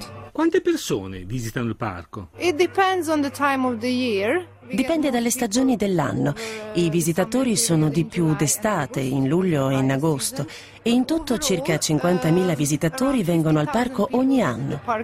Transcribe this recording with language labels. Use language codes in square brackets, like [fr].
[it] Quante persone visitano il parco? [en] It depends on the time of the year. [it] Dipende dalle stagioni dell'anno. I visitatori sono di più d'estate, in luglio e in agosto. E in tutto circa 50.000 visitatori vengono al parco ogni anno.